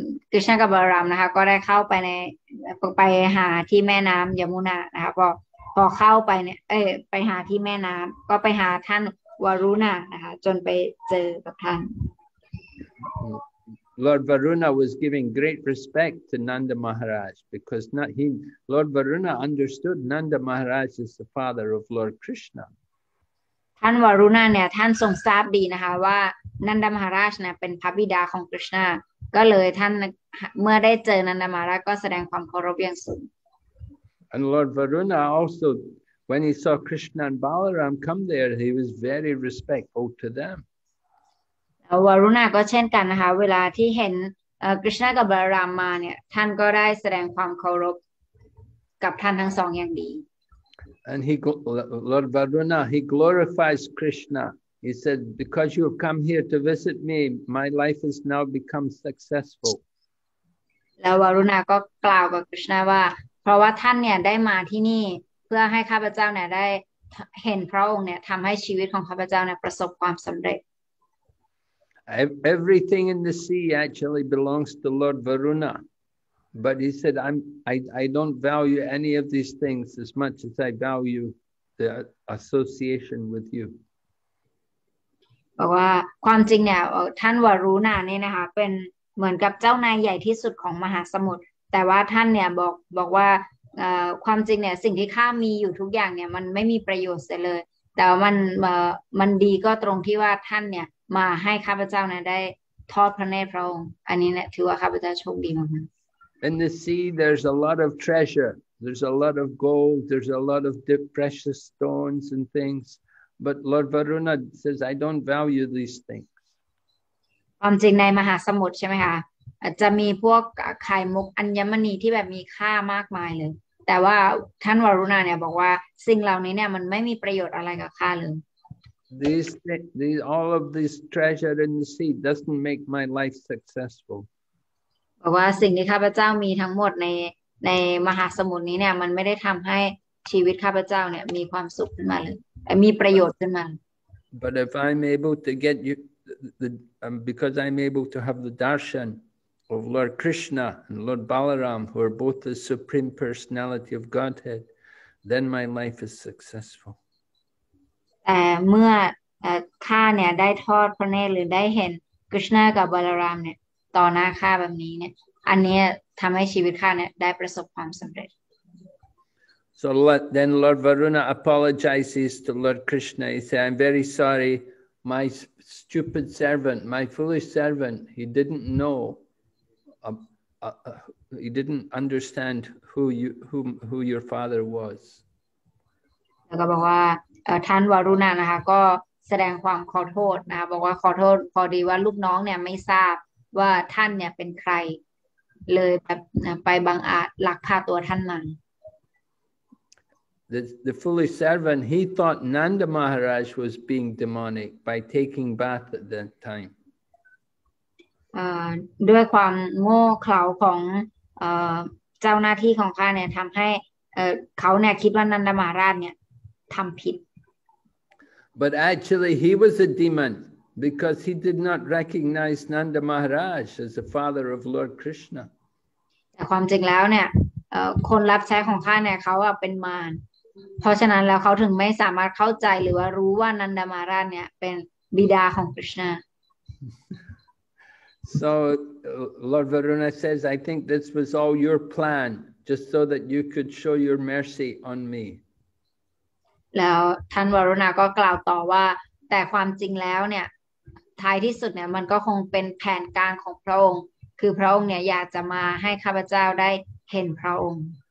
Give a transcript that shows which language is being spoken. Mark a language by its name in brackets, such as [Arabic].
[Thai] Krishna กับ Balaram นะคะก็ได้เข้าไปในไปหาที่แม่น้ำยมุนานะคะพอเข้าไปเนี่ยเอ้ยไปหาที่แม่น้ำก็ไปหาท่านวารุณานะคะจนไปเจอกับท่าน [English] Lord Varuna was giving great respect to Nanda Maharaj because not he, Lord Varuna understood Nanda Maharaj is the father of Lord Krishna. [Thai] ท่านวารุณาเนี่ยท่านทรงทราบดีนะคะว่านันดามหาราชเนี่ยเป็นพระบิดาของคริชนาก็เลยท่านเมื่อได้เจอนันดามหาราชก็แสดงความเคารพอย่างสูง [English] And Lord Varuna also, when he saw Krishna and Balaram come there, he was very respectful to them. [Thai] วารุณาก็เช่นกันนะคะเวลาที่เห็นคริชนากับบาลารามมาเนี่ยท่านก็ได้แสดงความเคารพกับท่านทั้งสองอย่างดี [English] And he, Lord Varuna, he glorifies Krishna. He said, because you have come here to visit me, my life has now become successful. [Thai] แล้ววารุณาก็กล่าวกับคริชนาว่าเพราะว่าท่านเนี่ยได้มาที่นี่เพื่อให้ข้าพเจ้าเนี่ยได้เห็นพระองค์เนี่ยทำให้ชีวิตของข้าพเจ้าเนี่ยประสบความสำเร็จ [English] Everything in the sea actually belongs to Lord Varuna, but he said, "I don't value any of these things as much as I value the association with you." [Thai] บอกว่าความจริงเนี่ยท่านวารุณาเนี่ยนะคะเป็นเหมือนกับเจ้านายใหญ่ที่สุดของมหาสมุทรแต่ว่าท่านเนี่ยบอกว่าความจริงเนี่ยสิ่งที่ข้ามีอยู่ทุกอย่างเนี่ยมันไม่มีประโยชน์เลยแต่มันดีก็ตรงที่ว่าท่านเนี่ยมาให้ข้าพเจ้านะได้ทอดพระเนตรพระองค์อันนี้เนี่ยถือว่าข้าพเจ้าโชคดีมาก [English] In the sea there's a lot of treasure there's a lot of gold there's a lot of precious stones and things but Lord Varuna says I don't value these things [Thai] ความจริงในมหาสมุทรใช่ไหมคะจะมีพวกไข่มุกอัญมณีที่แบบมีค่ามากมายเลยแต่ว่าท่านวารุณาเนี่ยบอกว่าสิ่งเหล่านี้เนี่ยมันไม่มีประโยชน์อะไรกับข้าเลย [English] These all of this treasure in the sea doesn't make my life successful. [Thai] บอกว่าสิ่งที่ข้าพเจ้ามีทั้งหมดในมหาสมุทรนี้เนี่ยมันไม่ได้ทำให้ชีวิตข้าพเจ้าเนี่ยมีความสุขขึ้นมาเลยมีประโยชน์ขึ้นมา [English] But if I'm able to get you, because I'm able to have the darshan of Lord Krishna and Lord Balaram, who are both the supreme personality of Godhead, then my life is successful. [Thai] แต่เมื่อข้าเนี่ยได้ทอดพระเนตรหรือได้เห็นคริชนากับบาลารามเนี่ยต่อหน้าข้าแบบนี้เนี่ยอันนี้ทำให้ชีวิตข้าเนี่ยได้ประสบความสำเร็จ [English] So then Lord Varuna apologizes to Lord Krishna. He says, I'm very sorry, my stupid servant, my foolish servant, he didn't know, he didn't understand who your father was. [Thai] แล้วก็บอกว่าท่านวารุณานะคะก็แสดงความขอโทษนะคะบอกว่าขอโทษพอดีว่าลูกน้องเนี่ยไม่ทราบว่าท่านเนี่ยเป็นใครเลยแบบไปบังอาจลักพาตัวท่านมา [English] The foolish servant, he thought Nanda Maharaj was being demonic by taking bath at that time. [Thai] ด้วยความโง่เขลาของเจ้าหน้าที่ของข้าเนี่ยทำให้เขาเนี่ยคิดว่านันดามาราชเนี่ยทำผิด [English] But actually he was a demon because he did not recognize Nanda Maharaj as the father of Lord Krishna. [Thai] แต่ความจริงแล้วเนี่ยคนรับใช้ของข้าเนี่ยเขาอะเป็นมารเพราะฉะนั้นแล้วเขาถึงไม่สามารถเข้าใจหรือว่ารู้ว่านันดามาราชเนี่ยเป็นบิดาของคริชนา [English] So Lord Varuna says, I think this was all your plan, just so that you could show your mercy on me. [Thai] แล้วท่านวารุณาก็กล่าวต่อว่าแต่ความจริงแล้วเนี่ยท้ายที่สุดเนี่ยมันก็คงเป็นแผนการของพระองค์คือพระองค์เนี่ยอยากจะมาให้ข้าพเจ้าได้เห็นพระองค์